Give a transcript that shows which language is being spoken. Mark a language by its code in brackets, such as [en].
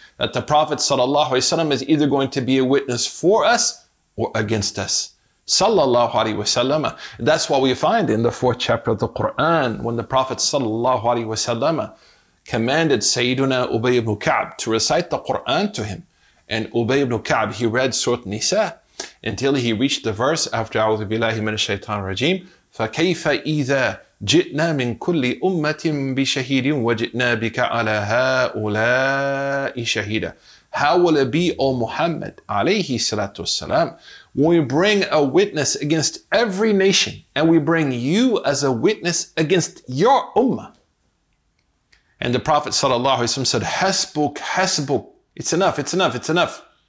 [en] That the Prophet sallallahu alayhi wa sallam is either going to be a witness for us or against us. Sallallahu alayhi wa sallam. That's what we find in the fourth chapter of the Qur'an, when the Prophet sallallahu alayhi wa sallam commanded Sayyiduna Ubay ibn Ka'b to recite the Qur'an to him. And Ubay ibn Ka'b, he read Surah Nisa, until he reached the verse after [ar] أعوذ بالله من الشيطان الرجيم فكيف إذا جئنا من كل أمة بشهيد وجئنا بك على هؤلاء شهيدا. [en] How will it be, O Muhammad عليه الصلاة والسلام, when we bring a witness against every nation and we bring you as a witness against your ummah? And the Prophet sallallahu alaihi wasallam said, "Hasbuk, hasbuk. It's enough, it's enough, it's enough."